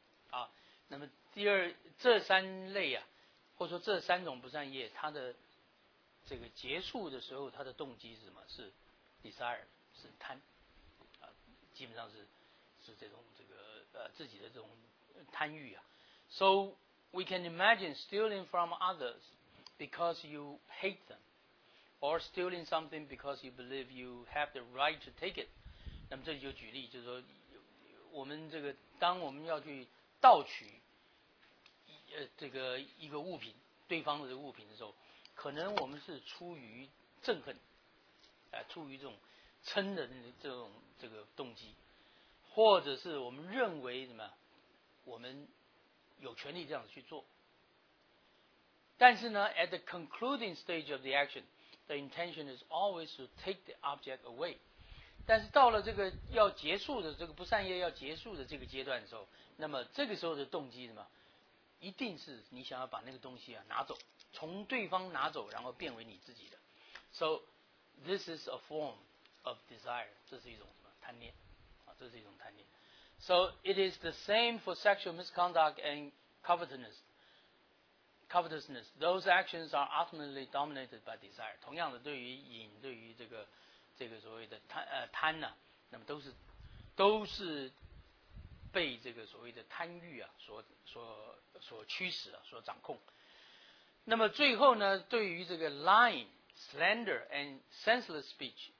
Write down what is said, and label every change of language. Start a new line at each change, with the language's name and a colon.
Chinese: 啊，那么第二，这三类啊，或者说这三种不善业，它的这个结束的时候，它的动机是什么？是 desire， 是贪。基本上是这种这个自己的这种贪欲啊。
English: So we can imagine stealing from others because you hate them, or stealing something because you believe you have the right to take it.
Chinese: 那么这里就举例，就是说我们这个当我们要去盗取这个一个物品，对方的物品的时候，可能我们是出于憎恨，出于这种嗔的这种这个动机，或者是我们认为什么，我们有权利这样子去做。但是呢
English: ，at the concluding stage of the action, the intention is always to take the object away.
Chinese: 但是到了这个要结束的这个不善业要结束的这个阶段的时候，那么这个时候的动机什么，一定是你想要把那个东西啊拿走，从对方拿走，然后变为你自己的。
English: So this is a form. Of desire,
Chinese: 这是一种什么贪念啊？这是一种贪念。
English: So it is the same for sexual misconduct and covetousness. Those actions are ultimately dominated by desire.
Chinese: 同样的，对于瘾，对于这个所谓的贪呢、啊，那么都是被这个所谓的贪欲啊所驱使啊，所掌控。那么最后呢，对于这个
English: lying, slander, and senseless speech.